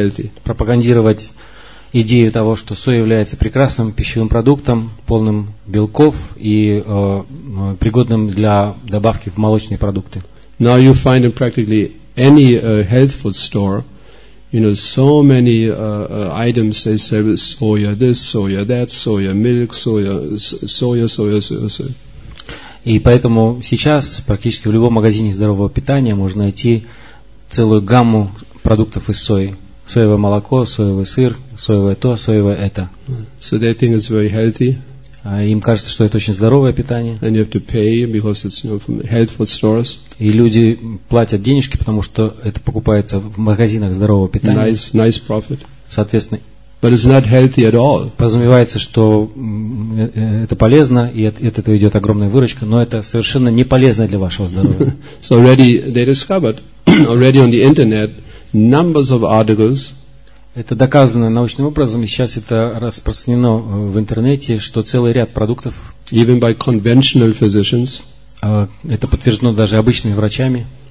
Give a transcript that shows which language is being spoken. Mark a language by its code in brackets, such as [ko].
[ru] Они стали пропагандировать идею того, что соя является прекрасным пищевым продуктом, полным белков и пригодным для добавки в молочные продукты. [en] Now you find in practically any health food store, so many items they sell with soya, this soya, that soya, milk soya, soya, soya, soya, soya. [ru] И поэтому сейчас практически в любом магазине здорового питания можно найти целую гамму продуктов из сои. Соевое молоко, соевый сыр, соевое то, соевое это. [en] So they think it's very healthy. [ru] Им кажется, что это очень здоровое питание. [en] And you have to pay because it's from health food stores. [ru] И люди платят денежки, потому что это покупается в магазинах здорового питания. [en] Nice profit. [ru] Соответственно. [en] But it's not healthy at all. [ru] Подразумевается, что это полезно, и от этого идет огромная выручка, но это совершенно не полезно для вашего здоровья. [en] So already they discovered, already on the internet, numbers of articles. [ru] Это доказано научным образом, и сейчас это распространено в интернете, что целый ряд продуктов, [en] even by conventional physicians, [ru] это подтверждено даже обычными врачами,